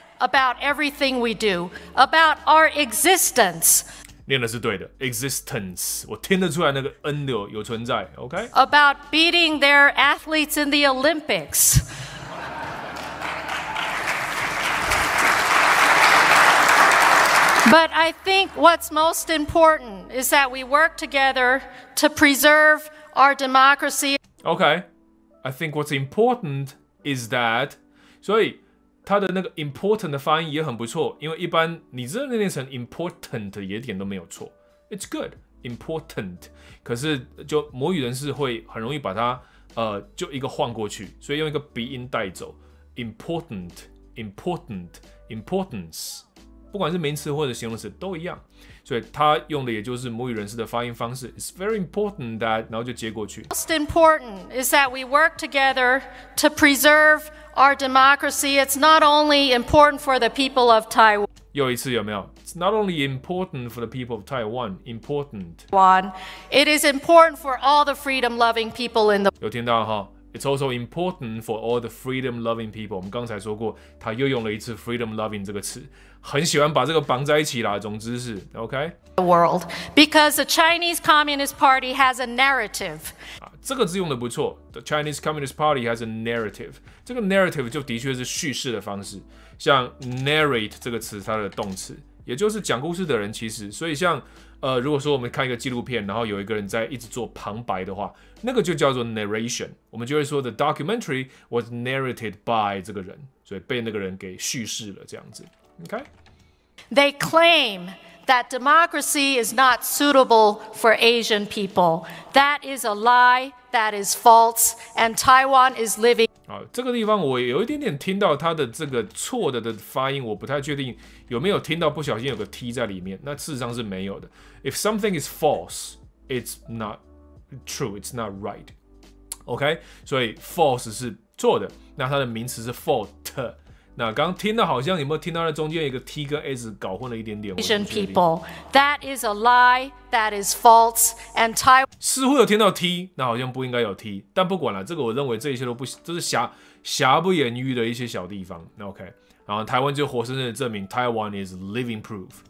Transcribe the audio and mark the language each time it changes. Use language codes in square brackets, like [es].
[en] About everything we do, about our existence. [zh] 念的是对的 ，existence. 我听得出来那个 n 有存在 ，OK? [en] About beating their athletes in the Olympics. But I think what's most important is that we work together to preserve our democracy. Okay, I think what's important is that. [zh] 所以他的那个 important 的发音也很不错，因为一般你真的念成 important 也一点都没有错。 [en] It's good, important. [zh] 可是就母语人士会很容易把它就一个换过去，所以用一个鼻音带走 important, important, importance。不管是名词或者形容词都一样，所以他用的也就是母语人士的发音方式。 [en] It's very important that， [zh] 然后就接过去。 [en] Most important is that we work together to preserve our democracy. It's not only important for the people of Taiwan. [zh] 又一次有没有 [en] ？It's not only important for the people of Taiwan. Important. One. It is important for all the freedom-loving people in the. [zh] 有听到哈？ [en] It's also important for all the freedom-loving people. [zh] 我们刚才说过，他又用了一次 freedom-loving 这个词，很喜欢把这个绑在一起啦。总之是 OK. [en] The world, because the Chinese Communist Party has a narrative. [zh] 啊，这个字用的不错。 [en] The Chinese Communist Party has a narrative. [zh] 这个 narrative 就的确是叙事的方式，像 narrate 这个词，它的动词，也就是讲故事的人。其实，所以像如果说我们看一个纪录片，然后有一个人在一直做旁白的话，那个就叫做 narration。我们就会说 [en] the documentary was narrated by [zh] 这个人，所以被那个人给叙事了这样子。 [en] OK? They claim that democracy is not suitable for Asian people. That is a lie. That is false. And Taiwan is living. [zh] 啊，这个地方我有一点点听到他的这个错的的发音，我不太确定有没有听到不小心有个 T 在里面。那事实上是没有的。 [en] If something is false, it's not true. It's not right. OK? [zh] 所以 false 是错的。那它的名词是 fault。那刚刚听到好像有没有听到那中间一个 T 跟 S 搞混了一点点 [en] ？Asian people, that is a lie, that is false, and Taiwan [zh] 似乎有听到 T， 那好像不应该有 T， 但不管了，这个我认为这一切都不都是瑕不掩瑜的一些小地方。 OK， 然后台湾就活生生的证明 [en] Taiwan is living proof。